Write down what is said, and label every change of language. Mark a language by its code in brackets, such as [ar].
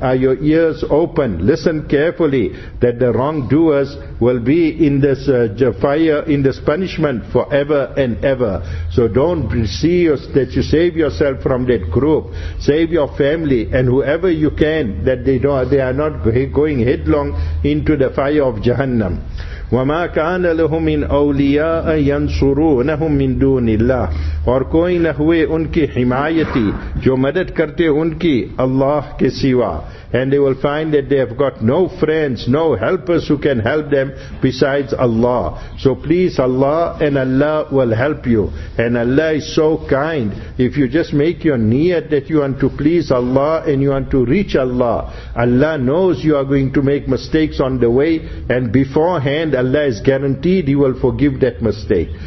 [en] Are your ears open? Listen carefully, that the wrongdoers will be in this fire, in this punishment forever and ever. So don't see us that you save yourself from that group. Save your family and whoever you can, that they are not going headlong into the fire of Jahannam. [ar] وَمَا كَانَ لَهُمْ مِنْ أَوْلِيَاءَ يَنْصُرُونَهُمْ مِنْ دُونِ اللَّهِ. [ur] اور کوئی نہ ہوئے ان کی حمایتی جو مدد کرتے ان کی اللہ کے سوا. [en] And they will find that they have got no friends, no helpers who can help them besides Allah. So please, Allah, and Allah will help you. And Allah is so kind. If you just make your niyat that you want to please Allah and you want to reach Allah, Allah knows you are going to make mistakes on the way, and beforehand Allah is guaranteed He will forgive that mistake.